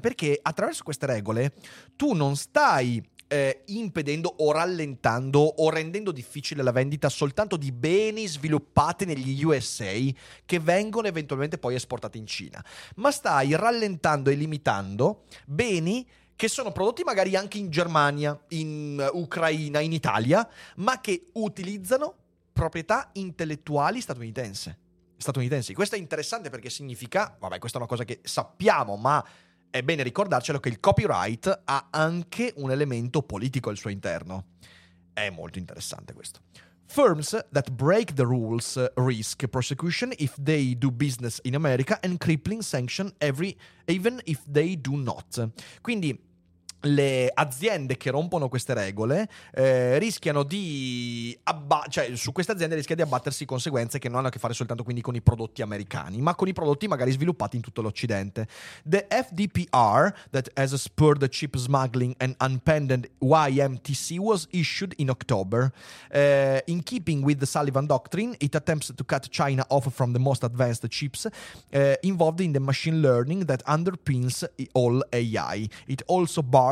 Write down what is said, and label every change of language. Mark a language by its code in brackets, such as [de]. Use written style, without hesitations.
[it] Perché attraverso queste regole tu non stai impedendo o rallentando o rendendo difficile la vendita soltanto di beni sviluppati negli USA che vengono eventualmente poi esportati in Cina, ma stai rallentando e limitando beni che sono prodotti magari anche in Germania, in Ucraina, in Italia, ma che utilizzano proprietà intellettuali statunitensi. Questo è interessante perché significa, vabbè, questa è una cosa che sappiamo, ma è bene ricordarcelo, che il copyright ha anche un elemento politico al suo interno. È molto interessante questo. [en] Firms that break the rules risk prosecution if they do business in America and crippling sanction even if they do not. [it] Quindi le aziende che rompono queste regole rischiano di cioè su queste aziende rischia di abbattersi conseguenze che non hanno a che fare soltanto quindi con i prodotti americani, ma con i prodotti magari sviluppati in tutto l'Occidente. [en] The FDPR that has spurred the chip smuggling and unpenned YMTC was issued in October. In keeping with the Sullivan Doctrine, it attempts to cut China off from the most advanced chips involved in the machine learning that underpins all AI. It also bars